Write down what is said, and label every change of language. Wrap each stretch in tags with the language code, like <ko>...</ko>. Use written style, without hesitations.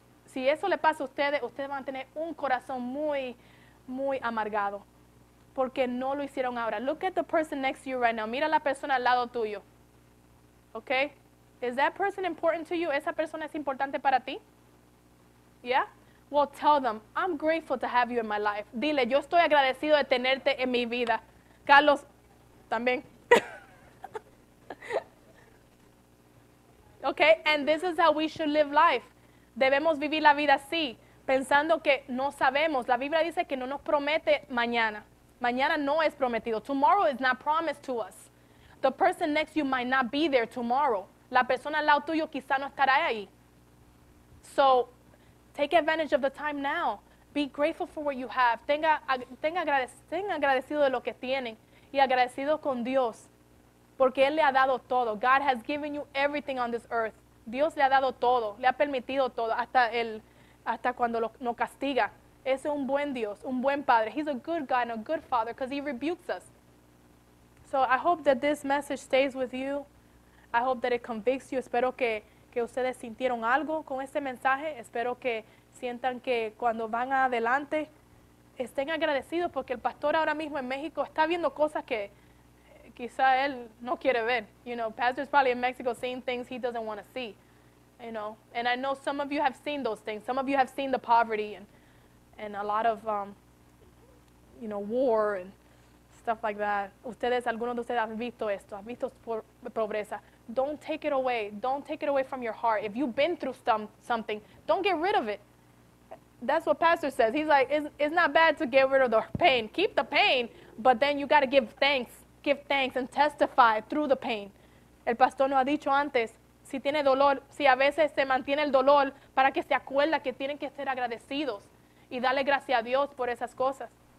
<es>Si eso le pasa a ustedes, ustedes van a tener un corazón muy, muy amargado. Porque no lo hicieron ahora.</es> <en>Look at the person next to you right now.</en> <es>Mira la persona al lado tuyo.</es> <en>Okay? Is that person important to you?</en> <es>¿Esa persona es importante para ti?</es> <en>Yeah? Well, tell them, I'm grateful to have you in my life.</en> <es>Dile, yo estoy agradecido de tenerte en mi vida. Carlos, también.</es> <en>Okay, and this is how we should live life.</en> <es>Debemos vivir la vida así, pensando que no sabemos. La Biblia dice que no nos promete mañana. Mañana no es prometido.</es> <en>Tomorrow is not promised to us. The person next to you might not be there tomorrow.</en> <es>La persona al lado tuyo quizá no estará ahí.</es> <en>So, take advantage of the time now. Be grateful for what you have.</en> <es>Tenga agradecido de lo que tienen. Y agradecido con Dios. Porque Él le ha dado todo.</es> <en>God has given you everything on this earth.</en> <es>Dios le ha dado todo. Le ha permitido todo. Hasta cuando nos castiga. Ese es un buen Dios. Un buen Padre.</es> <en>He's a good God and a good Father because He rebukes us. So I hope that this message stays with you. I hope that it convicts you.</en> <es>Espero que ustedes sintieron algo con este mensaje. Espero que sientan que cuando van adelante estén agradecidos porque el pastor ahora mismo en México está viendo cosas que quizá él no quiere ver.</es> <en>You know, pastor's probably in Mexico seeing things he doesn't want to see. You know, and I know some of you have seen those things. Some of you have seen the poverty and a lot of, you know, war and stuff like that.</en> <es>Ustedes, algunos de ustedes han visto esto, han visto pobreza.</es> <en>Don't take it away. Don't take it away from your heart. If you've been through something, don't get rid of it. That's what pastor says. He's like, it's not bad to get rid of the pain. Keep the pain, but then you got to give thanks. Give thanks and testify through the pain.</en> <es>El pastor no ha dicho antes, si tiene dolor, si a veces se mantiene el dolor, para que se acuerda que tienen que ser agradecidos y darle gracias a Dios por esas cosas.</es>